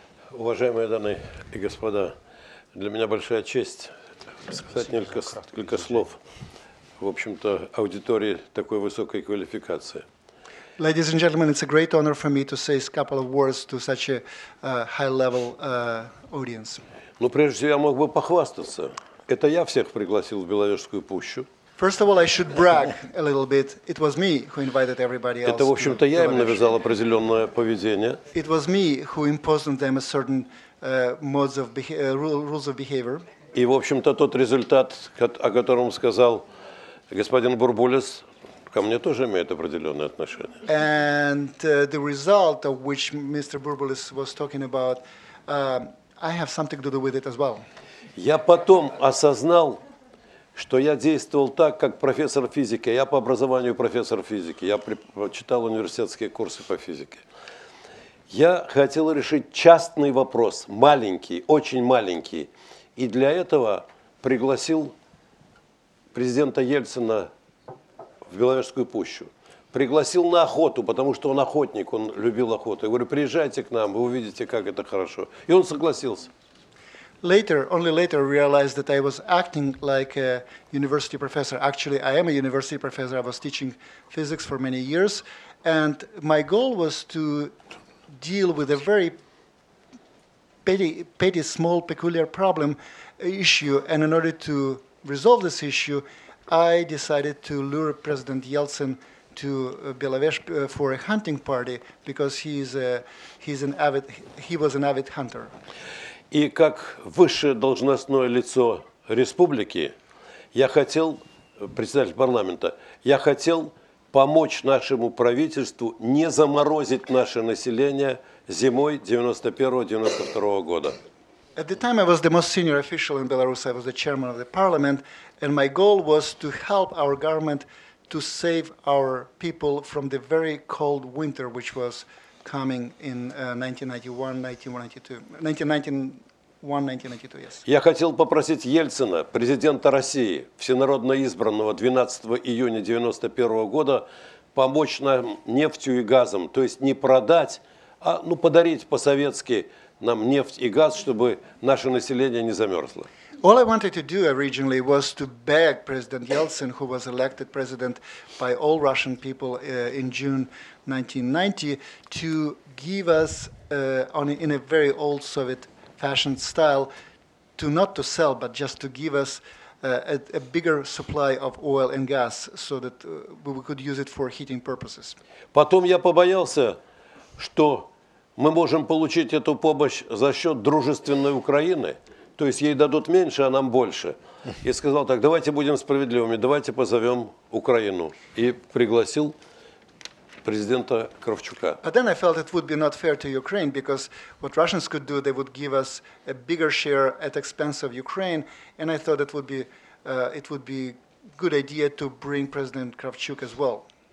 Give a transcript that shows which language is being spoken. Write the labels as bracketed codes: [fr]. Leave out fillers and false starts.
[ru] Уважаемые дамы и господа, для меня большая честь сказать несколько слов в общем-то аудитории такой высокой квалификации. [en] Ladies and gentlemen, it's a great honor for me to say a couple of words to such a high-level audience. [ru] Ну, прежде всего, я мог бы похвастаться. Это я всех пригласил в Беловежскую пущу. [en] First of all, I should brag a little bit. It was me who invited everybody else. [ru] Это, в общем-то, я им навязал определенное поведение. [en] It was me who imposed on them a certain modes of rules of behavior. [ru] И, в общем-то, тот результат, о котором сказал господин Бурбулис, ко мне тоже имеет определенное отношение. [en] And the result of which Mr. Bourboulis was talking about, I have something to do with it as well. [ru] Я потом осознал, что я действовал так, как профессор физики. Я по образованию профессор физики. Я читал университетские курсы по физике. Я хотел решить частный вопрос, маленький, очень маленький. И для этого пригласил президента Ельцина в Беловежскую пущу. Пригласил на охоту, потому что он охотник, он любил охоту. Я говорю, приезжайте к нам, вы увидите, как это хорошо. И он согласился. [en] Later, only later, realized that I was acting like a university professor. Actually, I am a university professor. I was teaching physics for many years. And my goal was to deal with a very petty, small, peculiar problem issue. And in order to resolve this issue, I decided to lure President Yeltsin to Belavezh for a hunting party because he was an avid hunter. [ru] И как высшее должностное лицо республики, я хотел, председатель парламента, я хотел помочь нашему правительству не заморозить наше население зимой 91-92 года. [en] At the time I was the most senior official in Belarus. I was the chairman of the parliament, and my goal was to help our government to save our people from the very cold winter, which was coming in 1992, yes. [ru] Я хотел попросить Ельцина, президента России, всенародно избранного 12 июня 91 года, помочь нам нефтью и газом, то есть не продать, а ну подарить по-советски нам нефть и газ, чтобы наше население не замерзло. [en] All I wanted to do originally was to beg President Yeltsin, who was elected president by all Russian people in June 1990, to give us, in a very old Soviet fashion style, to not to sell, but just to give us a bigger supply of oil and gas so that we could use it for heating purposes. [ru] Потом я побоялся, что мы можем получить эту помощь за счет дружественной Украины. То есть ей дадут меньше, а нам больше. И сказал так, давайте будем справедливыми, давайте позовем Украину. И пригласил президента Кравчука. [en] But then I felt it would be not fair to Ukraine, because what Russians could do, they would give us a bigger share at expense of Ukraine. And I thought it would be good idea to bring President Kravchuk as well.